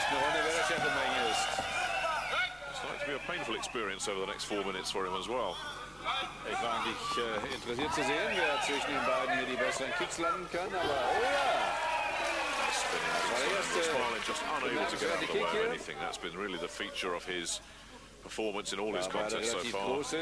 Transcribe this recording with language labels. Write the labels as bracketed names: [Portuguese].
[English] It's likely to be a painful experience over the next 4 minutes for him as well. [German] Ich war eigentlich interessiert zu sehen, wer zwischen den beiden hier die besseren Kicks landen kann, aber oh ja! [English] That's been really the feature of his performance in all his contests so far.